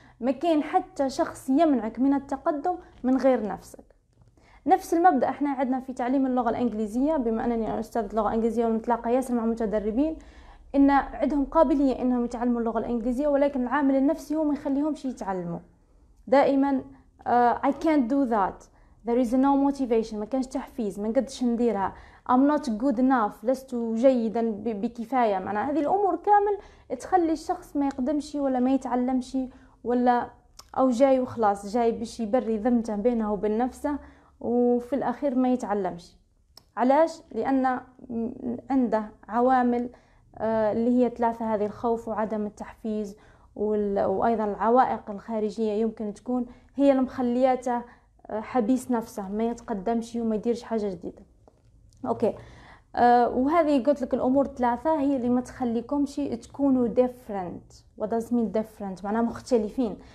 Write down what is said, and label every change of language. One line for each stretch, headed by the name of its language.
Arabic: ما كاين حتى شخص يمنعك من التقدم من غير نفسك. نفس المبدا احنا عندنا في تعليم اللغه الانجليزيه، بما انني استاذ لغه انجليزيه ونتلاقى ياسر مع متدربين، ان عندهم قابليه انهم يتعلموا اللغه الانجليزيه، ولكن العامل النفسي هو ما يخليهمش يتعلموا.
English: دائما I can't do that، there is no motivation،
Arabic: ما كانش تحفيز، ما قدش نديرها،
English: I'm not good enough،
Arabic: لست جيدا بكفايه. معنى هذه الامور كامل تخلي الشخص ما يقدمش ولا ما يتعلمش، ولا او جاي وخلاص جاي باش يبري ذمته بينه وبين نفسه، وفي الاخير ما يتعلمش. علاش؟ لان عنده عوامل اللي هي ثلاثة هذه: الخوف وعدم التحفيز وايضا العوائق الخارجية يمكن تكون هي اللي مخلياته حبيس نفسه، ما يتقدمش وما يديرش حاجة جديدة. اوكي وهذه قلت لك الأمور الثلاثة هي اللي ما تخليكمش تكونوا different.
English: What does mean different؟
Arabic: معناها مختلفين.